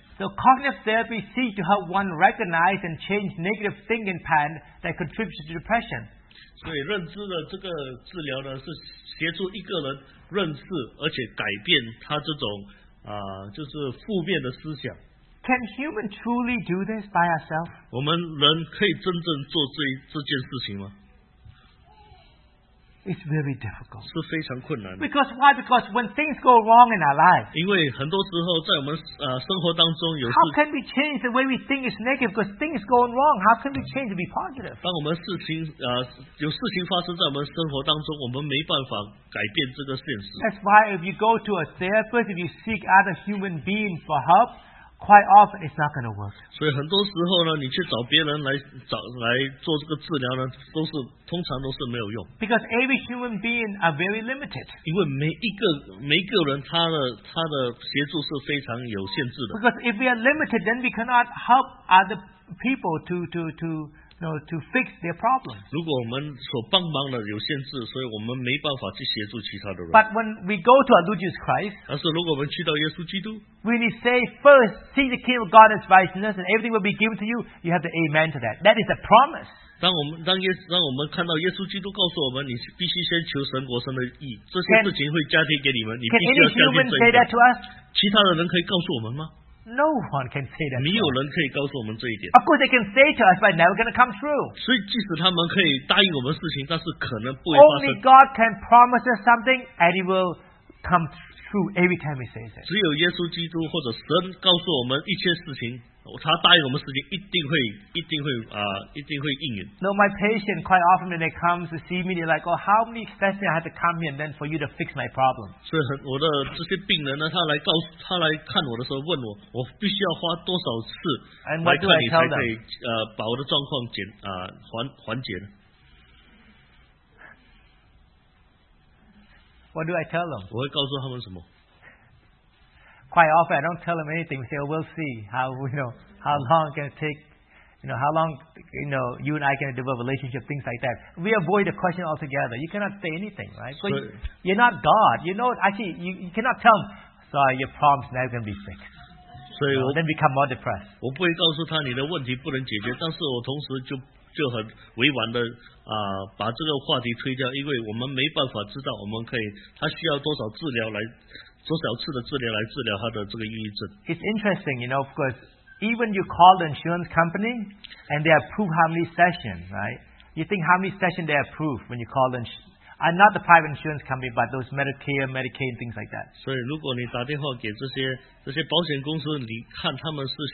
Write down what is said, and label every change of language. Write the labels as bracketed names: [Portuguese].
[English] So cognitive therapy seeks to help one recognize and change negative thinking patterns that contribute to depression. [Chinese] 对认知的这个治疗呢，是协助一个人认识，而且改变他这种就是负面的思想。 [English] Can human truly do this by ourselves? [Chinese] 我们人可以真正做这件事情吗？ [English] It's very difficult. [Chinese] 是非常困难的。 [English] Because why? Because when things go wrong in our life. [Chinese] 因为很多时候在我们 生活当中有 [English] How can we change the way we think is negative? Because things going wrong. How can we change to be positive? [Chinese] 当我们事情 有事情发生在我们生活当中, 我们没办法改变这个现实。 [English] That's why if you go to a therapist, if you seek other human beings for help, quite often it's not going to work. [Chinese] 所以很多时候呢, 你去找别人来做这个治疗呢, 通常都是没有用。 [English] Because every human being are very limited. [Chinese] 因为每一个人他的协助是非常有限制的。 [English] Because if we are limited, then we cannot help other people to fix their problem. [Chinese] 如果我们所帮忙的有限制, 所以我们没办法去协助其他的人。 [English] But when we go to our Lord Jesus Christ, [Chinese] 但是如果我们去到耶稣基督, [English] when He says, first, seek the kingdom of God and His righteousness, and everything will be given to you, you have to amen to that. That is a promise. [Chinese] 当我们看到耶稣基督告诉我们, 你必须先求神国神的义, 这些事情会加添给你们, 你必须要先做一点。其他的人可以告诉我们吗? [English] No one can say that. [Chinese] 没有人可以告诉我们这一点。 [English] Of course they can say to us, but never going to come true. [Chinese] 所以即使他们可以答应我们事情, 但是可能不会发生。 [English] Only God can promise us something, and it will come true every time He says it. [Chinese] 只有耶稣基督或者神告诉我们一切事情, 他答应我们事情一定会应允。 [English] No, my patient, quite often when they come to see me, they're like, oh, how many steps do I have to come here and then for you to fix my problem? [Chinese] 所以我的这些病人呢, 他来看我的时候问我, 我必须要花多少次来看你才可以, [English] and what do I tell them? [Chinese] 把我的状况缓解。 [English] What do I tell them? [Chinese] 我会告诉他们什么? [English] Quite often, I don't tell them anything. We say, oh, we'll see how long it's going to take. you know, how long, you know, you and I can develop a relationship, things like that. We avoid the question altogether. You cannot say anything, right? So, you're not God. You know, actually, you cannot tell him, sorry, your problem's never going to be fixed. So, you know, then become more depressed. [Chinese] 我不会告诉他你的问题不能解决，但是我同时就很委婉的把这个话题推掉，因为我们没办法知道我们可以，他需要多少治疗来，多少次的治疗来治疗他的这个抑郁症。 [English] It's interesting, you know, because even you call the insurance company and they approve how many sessions, right? You think how many sessions they approve when you call the insurance company. And not the private insurance company, but those Medicare, Medicaid, things like that. So, if you call the insurance companies, you look how many times they need this treatment.